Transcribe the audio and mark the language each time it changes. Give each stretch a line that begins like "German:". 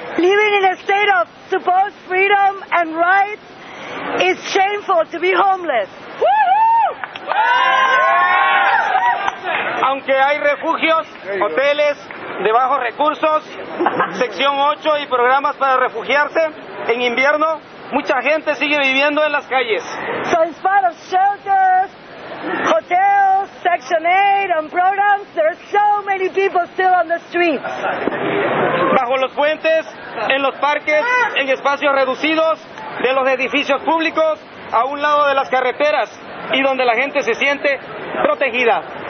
English: Living in a state of supposed freedom and rights is shameful to be homeless.
Spanish: Aunque hay refugios, hoteles de bajos recursos, sección 8 y programas para refugiarse, en invierno mucha gente sigue viviendo en las calles.
English: So in spite of shelters, hotels, section 8 and programs, there are so many people still on the streets.
Spanish: Bajo los puentes, en los parques, en espacios reducidos, de los edificios públicos, a un lado de las carreteras y donde la gente se siente protegida.